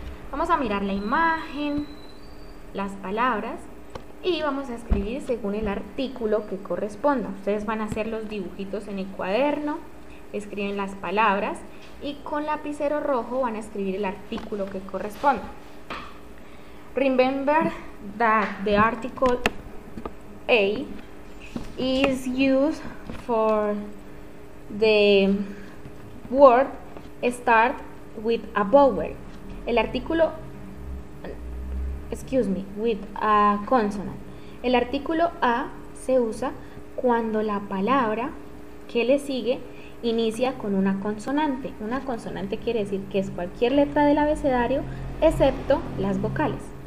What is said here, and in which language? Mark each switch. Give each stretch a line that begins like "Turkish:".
Spanish: Vamos a mirar la imagen, las palabras, y vamos a escribir según el artículo que corresponda. Ustedes van a hacer los dibujitos en el cuaderno, escriben las palabras, y con lapicero rojo van a escribir el artículo que corresponda.
English: Remember that the article a is used for the word start with a vowel.
Spanish: El artículo,
English: excuse me, with a consonant.
Spanish: El artículo a se usa cuando la palabra que le sigue inicia con una consonante. Una consonante quiere decir que es cualquier letra del abecedario excepto las vocales.